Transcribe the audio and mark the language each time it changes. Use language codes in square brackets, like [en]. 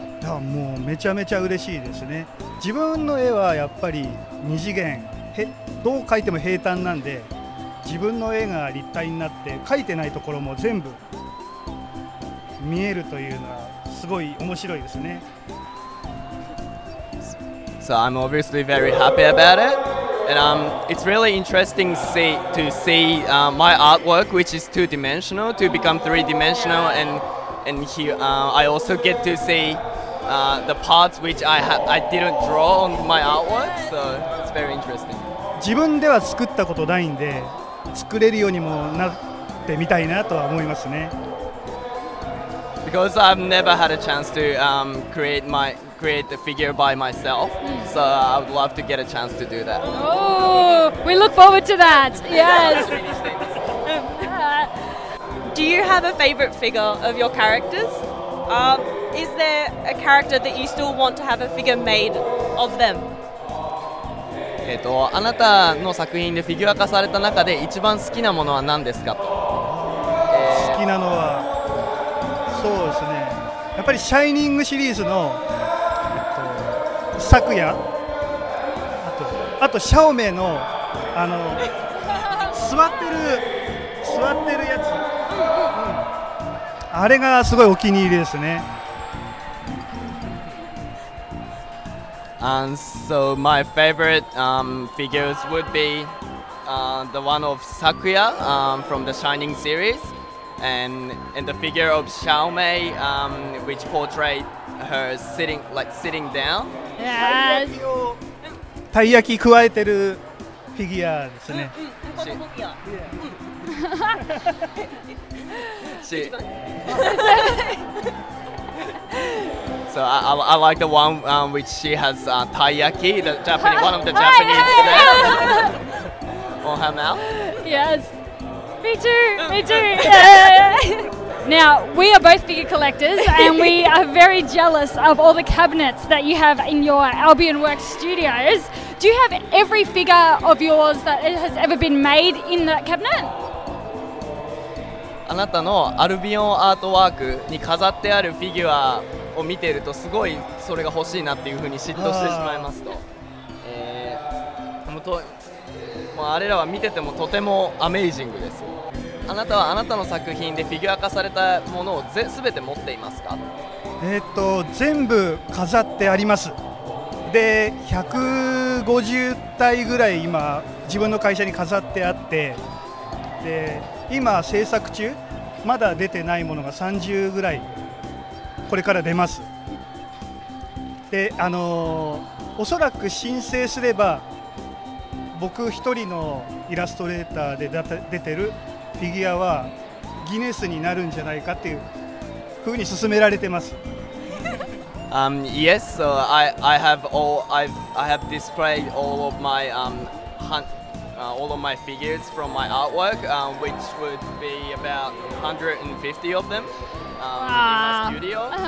[ja] いやもうめちゃめちゃ嬉しいですね。自分の絵はやっぱり二次元どう描いても平坦なんで、自分の絵が立体になって描いてないところも全部見えるというのはすごい面白いですね。 [en] So I'm obviously very happy about it and it's really interesting to see my artwork which is two dimensional to become three dimensional and here I also get to see the parts which I didn't draw on my artwork, so it's very interesting. [ja] 自分では作ったことないんで、作れるようにもなってみたいなとは思いますね。 [en] Because I've never had a chance to create the figure by myself, so I would love to get a chance to do that. Oh, we look forward to that. Yes. Do you have a favorite figure of your characters? Is there a character that you still want to have a figure made of them? [ja] あなたの作品でフィギュア化された中で一番好きなものは何ですか？好きなのは、そうですね。やっぱりシャイニングシリーズの昨夜、あとシャオメイのあの座ってるやつ、あれがすごいお気に入りですね。 [en] And so my favorite figures would be the one of Sakuya from the Shining series, and the figure of Xiaomei which portrayed her sitting down. Yes. [ja] たい焼き加えてるフィギュアですね。 [en] So I like the one which she has taiyaki, one of the Japanese on her mouth. Yes, me too. Now we are both figure collectors, and we are very jealous of all the cabinets that you have in your Albion Works studios. Do you have every figure of yours that has ever been made in that cabinet? [ja] あなたのアルビオンアートワークに飾ってあるフィギュアを見ているとすごいそれが欲しいなっていうふうに嫉妬してしまいますと、もうあれらは見ててもとてもアメージングです。あなたはあなたの作品でフィギュア化されたものを全て持っていますか？全部飾ってあります。で150体ぐらい今自分の会社に飾ってあって、で今制作中、まだ出てないものが30ぐらいこれから出ます。で、おそらく申請すれば僕一人のイラストレーターで出てるフィギュアはギネスになるんじゃないかっていうふうに勧められてます。 [en] Yes, so I have displayed all of my all of my figures from my artwork, which would be about 150 of them in my studio.